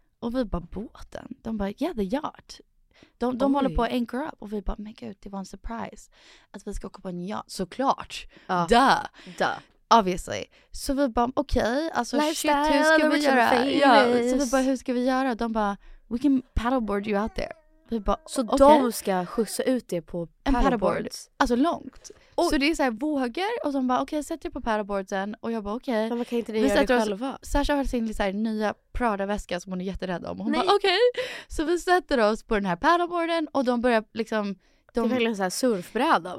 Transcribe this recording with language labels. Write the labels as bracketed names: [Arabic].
[Swedish] Och vi bara, båten? De bara, [English] yeah, the yacht. [Swedish] De håller på att anchor up. Och vi bara, men gud, det var en surprise. Att vi ska åka på en yacht. Såklart. Ja. [English] Duh. Obviously. [Swedish] Så vi bara, okej, alltså life shit, style, hur ska vi göra? Ja. Så vi bara, hur ska vi göra? De bara, [English] we can paddleboard you out there. [Swedish] Bara, så okay, de ska skjutsa ut det på paddleboard. Alltså långt. Och så det är så här vågor och de bara, okej, sätt dig på paddleboarden. Och jag bara, okej. Men vad kan inte ni göra det själva? Sasha har sin så här nya Prada-väska som hon är jätterädd om. Och hon bara, okej. Så vi sätter oss på den här paddleboarden och de börjar liksom, det är verkligen en sån här surfbräda.